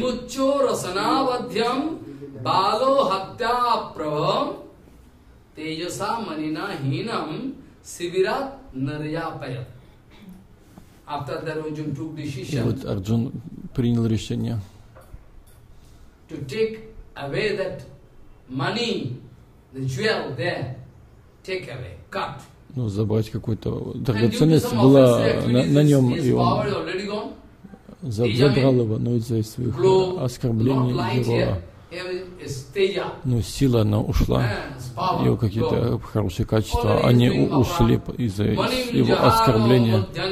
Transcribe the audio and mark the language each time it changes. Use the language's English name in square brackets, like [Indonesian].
[Sanskrit] Химуччо расанавадьям бало хаття правам тейоса манина хинам сивират нарьяпая. [English] After that Arjun took decision. [Russian] И вот Арджун принял решение. [English] To take away that money, the jewel there, take away, cut. [Russian] Ну, забрать какую-то драгоценность была на нем, и он забрал его, но из-за своих оскорблений его, ну, сила, она ушла, его какие-то хорошие качества, они ушли из-за его оскорбления.